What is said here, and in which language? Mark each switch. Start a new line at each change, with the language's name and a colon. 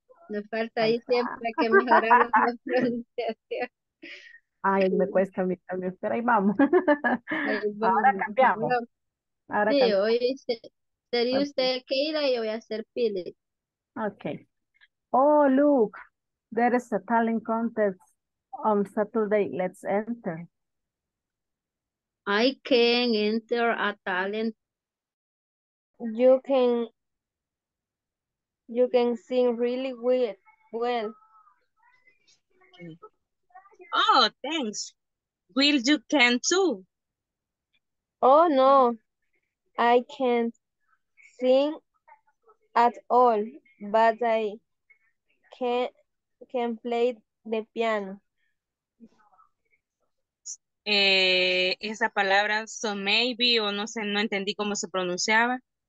Spanish: Me falta ahí siempre que mejorar la pronunciación. Ay, me cuesta a mí también, pero ahí vamos. Ahora cambiamos. Ahora sí, hoy sería usted Keira y yo voy a ser Philip. Okay.
English: Oh, look, there is a talent contest on Saturday. Let's enter. I can enter a talent. You can sing really well. Oh, thanks. Will you can too? Oh, no. I can't sing at all, but I can play the piano.
Spanish: Esa palabra,
English: so maybe,
Spanish: o no sé, no entendí cómo se pronunciaba.